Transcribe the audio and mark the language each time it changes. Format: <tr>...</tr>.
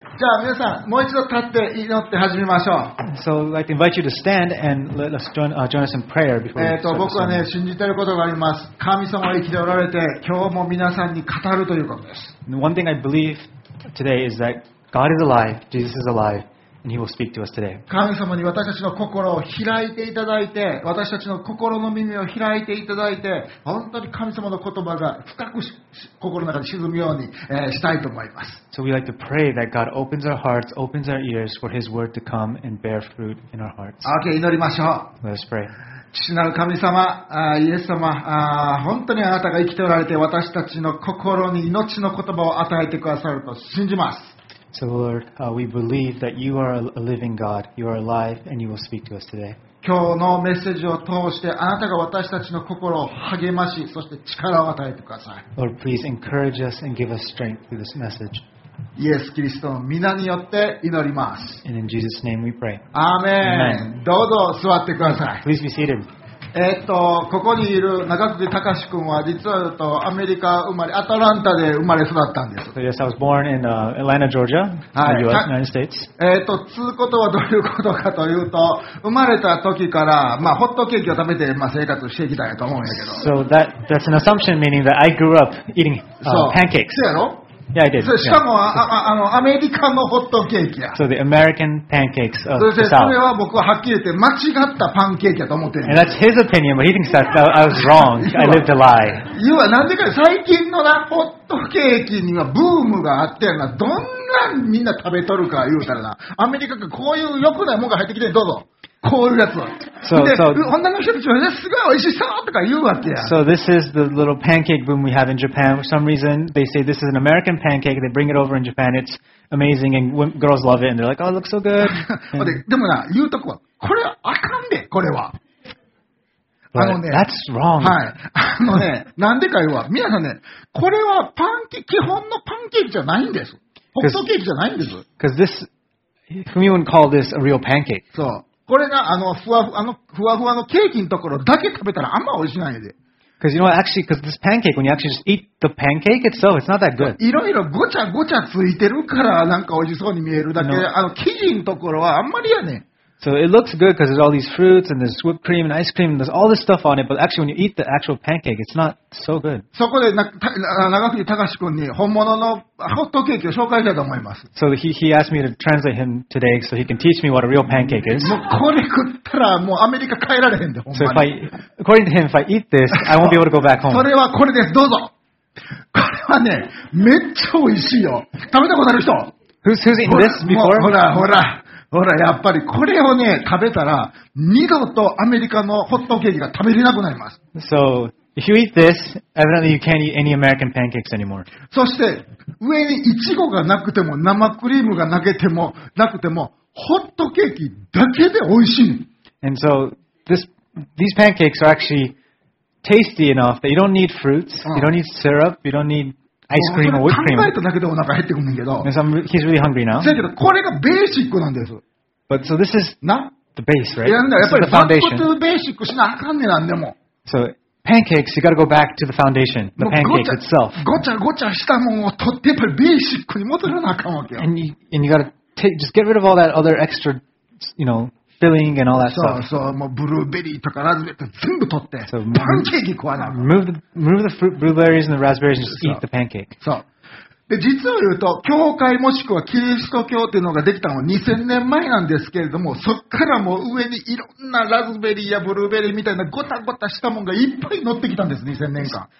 <ja>じゃあ皆さんもう一度立って祈って始めましょう。</ja> <en>So I'd like to invite you to stand and let us join, join us in prayer before we start.</en> <ja>僕はね信じてることがあります。神様が生きておられて今日も皆さんに語るということです。</ja> <en>One thing I believe today is that God is alive, Jesus is alive. And he will speak to us today.</en> <ja>神様に私たちの心を開いていただいて、私たちの心の耳を開いていただいて、本当に神様の言葉が深く心の中に沈むように、したいと思います。</ja> <en>So we like to pray that God opens our hearts, opens our ears for His word to come and bear fruit in our hearts.</en> <ja>Okay, 祈りましょう。</ja> <en>Let us pray.</en> <ja>父なる神様、イエス様、本当にあなたが生きておられて、私たちの心に命の言葉を与えてくださると信じます。</ja> <en>So Lord, we believe that you are a living God. You are alive and you will speak to us today.</en> <ja>今日のメッセージを通してあなたが私たちの心を励まし、そして力を与えてください。</ja> <en>Lord, please encourage us and give us strength through this message.</en> <ja>イエス・キリストの皆によって祈ります。</ja> <en>And in Jesus' name we pray. Amen.</en> <ja>どうぞ座ってください。</ja> <en>Please be seated.</en> <ja>ここにいる中辻隆志君は実はアメリカ生まれ、アトランタで生まれ育ったんです。</ja> <en>Yes, I was born in Atlanta, Georgia, United States.</en> <ja>つうことはどういうことかというと、生まれた時から、まあ、ホットケーキを食べて、まあ、生活していきたいと思うんやけど。</ja> <en>So that's an assumption meaning that I grew up eating pancakes.</en> <ja>そうやろ？</ja> <en>Yeah, I did.</en> <ja>しかも、アメリカのホットケーキや。</ja> <en>So the American pancakes of the South.</en> <ja>それは僕ははっきり言って間違ったパンケーキやと思ってる。</ja> <en>And that's his opinion, but he thinks that I was wrong. I lived a lie.</en> <ja>要はなんでか、最近のなホットケーキにはブームがあってやな、どんなんみんな食べとるか言うたらな、アメリカがこういう良くないものが入ってきて、どうぞ。こういうやつ。</ja> <en>So,</en> <ja>女の人たちはすごい美味しそうとか言うわけや。</ja> <en>So this is the little pancake boom we have in Japan. For some reason, they say this is an American pancake. They bring it over in Japan. It's amazing and girls love it. And they're like, oh, it looks so good. And...</en> <ja>でもな、言うとこは、これはあかんで、これは。</ja> <en>But、あのね、that's wrong.</en> <ja>はい。あのね、なんでか言うわ。皆さんね、これはパンケーキ、基本のパンケーキじゃないんです。ホットケーキじゃないんです。</ja> <en>Because this, Fumi wouldn't call this a real pancake.</en> <ja>そう。これがふわふわのケーキのところだけ食べたらあんま美味しないで。</ja> <en>Because you know what, actually, because this pancake, when you actually just eat the pancake itself, it's not that good.</en> <ja>いろいろごちゃごちゃついてるからなんか美味しそうに見えるだけ。</ja> <en>No.</en> <ja>あの生地のところはあんまりやねん。</ja> <en>So it looks good because there's all these fruits and there's whipped cream and ice cream and there's all this stuff on it, but actually when you eat the actual pancake, it's not so good.</en> <ja>そこで長崎隆志君に本物のホットケーキを紹介したいと思います。</ja> <en>So he asked me to translate him today so he can teach me what a real pancake is.</en> <ja>もうこれ食ったらもうアメリカ帰られへんで、ほんまに。</ja> <en>So if I, according to him, if I eat this, I won't be able to go back home.</en> <ja>それはこれです。どうぞ。これはね、めっちゃ美味しいよ。食べたことある人？</ja> <en>Who's eaten this before?</en> <ja>ほらほら。ほらやっぱりこれをね食べたら二度とアメリカのホットケーキが食べれなくなります。</ja> <en>So if you eat this, evidently you can't eat any American pancakes anymore.</en> <ja>そして上にイチゴがなくても生クリームがなくてもホットケーキだけで美味しい。</ja> <en>And so these pancakes are actually tasty enough that you don't need fruits,、うん、you don't need syrup, you don't need ice cream or whipped cream.</en> <ja>考えただけでお腹減ってくるんだけど。</ja> <en>He's really hungry now.</en> <ja>だけどこれがベーシックなんです。</ja> <en>But so this is the base, right?</en> <ja>いやなんだやっぱり foundation. バックトゥベーシックしなあかんねなんでも。</ja> <en>So pancakes, you got to go back to the foundation, the pancake itself.</en> <ja>ごちゃごちゃしたものを取ってやっぱりベーシックに戻らなあかんわけよ。</ja> <en>And you got to take just get rid of all that other extra, you know. Filling and all that stuff.</en> <ja>そうそう、もうブルーベリーとかラズベリーとか全部取って、so、パンケーキ食わな。</ja> <en>Move the fruit, blueberries and the raspberries and just eat the pancake.</en> <ja>そう。で、実を言うと、教会もしくはキリスト教っていうのができたのは2000年前なんですけれども、そっからもう上にいろんなラズベリーやブルーベリーみたいなごたごたしたものがいっぱい乗ってきたんです、2000年間。</ja>